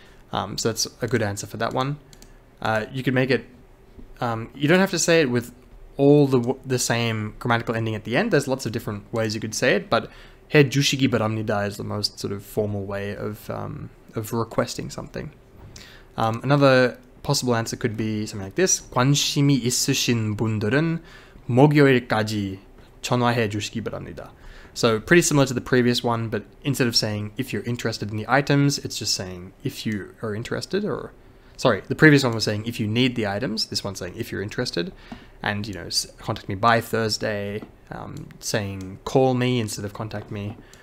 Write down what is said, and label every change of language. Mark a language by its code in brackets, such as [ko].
[en] So that's a good answer for that one. You could make it, you don't have to say it with all the same grammatical ending at the end. There's lots of different ways you could say it, but [ko] 해 주시기 바랍니다 [en] is the most sort of formal way of requesting something. Another possible answer could be something like this. [ko] 관심이 있으신 분들은 목요일까지 전화해 주시기 바랍니다. [en] So pretty similar to the previous one, but instead of saying if you're interested in the items, it's just saying if you are interested, or sorry, the previous one was saying if you need the items, this one's saying if you're interested, and you know, contact me by Thursday, saying call me instead of contact me.